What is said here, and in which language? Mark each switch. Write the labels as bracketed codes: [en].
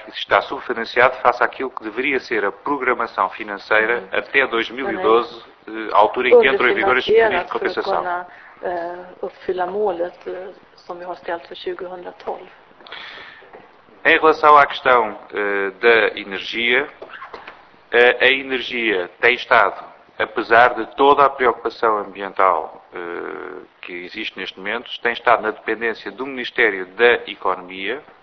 [pt] está subfinanciado face àquilo que deveria ser a programação financeira até 2012, à altura em que entrou em vigor este mecanismo de compensação. [sv] Uppfylla målet som vi har ställt för 2012. [pt] Em relação à questão da energia, a energia tem estado, apesar de toda a preocupação ambiental que existe neste momento, tem estado na dependência do Ministério da Economia.